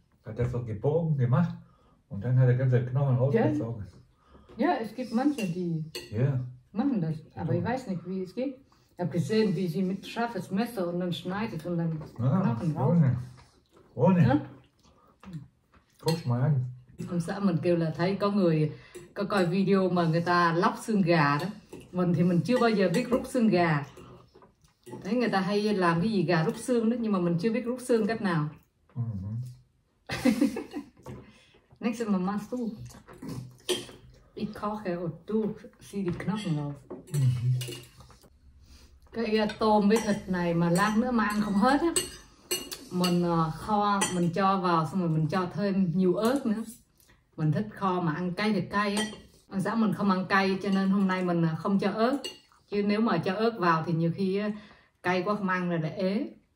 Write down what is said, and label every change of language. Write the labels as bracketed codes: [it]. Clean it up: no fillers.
[de] Hat er so gebogen gemacht und dann hat er ganze Knochen rausgezogen. Ja, es gibt manche, die machen das, aber ich weiß nicht, wie es geht. Ich habe gesehen, wie sie mit scharfes Messer und dann schneidet und dann Knochen raus. Ohne. Guck mal an. [vi] Ông xã mình kêu là thấy có người có coi video mà người ta lóc xương gà đó. Mình thì mình chưa bao giờ biết rút xương gà. Thấy người ta hay làm cái gì gà rút xương đó, nhưng mà mình chưa biết rút xương cách nào. [en] Next time I must do. [de] Ich koche und du sieh die Knochen auf. [vi] Cái tôm với thịt này mà lát nữa mà ăn không hết á, mình kho, mình cho vào xong rồi mình cho thêm nhiều ớt nữa. Mình thích kho mà ăn cay thì cay á. Ông xã mình không ăn cay cho nên hôm nay mình không cho ớt. Chứ nếu mà cho ớt vào thì nhiều khi cay quá không ăn rồi lại ế.